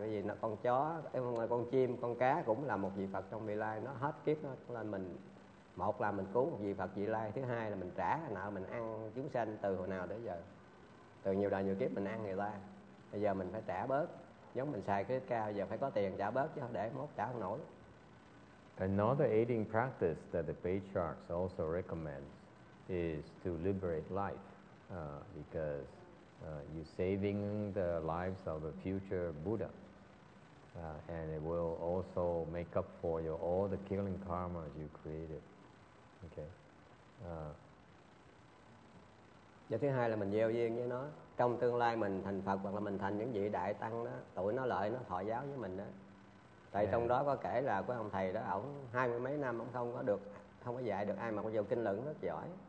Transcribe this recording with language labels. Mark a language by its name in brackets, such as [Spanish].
[Vietnamese] Bởi vì nó con chó, con chim, con cá cũng là một vị Phật trong vị lai, nó hết kiếp nó lên mình. Một là mình cứu một vị Phật vị lai, thứ hai là mình trả nợ mình ăn chúng sanh từ hồi nào tới giờ. Từ nhiều đời nhiều kiếp mình ăn người ta. Bây giờ mình phải trả bớt, giống mình xài cái cao, giờ phải có tiền trả bớt chứ để mốt trả không nổi. [English] Another aiding practice that the patriarchs also recommend is to liberate life, because you're saving the lives of a future Buddha. And it will also make up for your all the killing karma you created. Okay. [Vietnamese] Và thứ hai là mình gieo duyên với nó. Trong tương lai mình thành Phật hoặc là mình thành những vị đại tăng đó, tụi nó lợi nó thọ giáo với mình đó. Tại yeah. Trong đó có kể là có ông thầy đó, ổng 20 mấy năm ổng không có dạy được ai mà có vô kinh luận rất giỏi.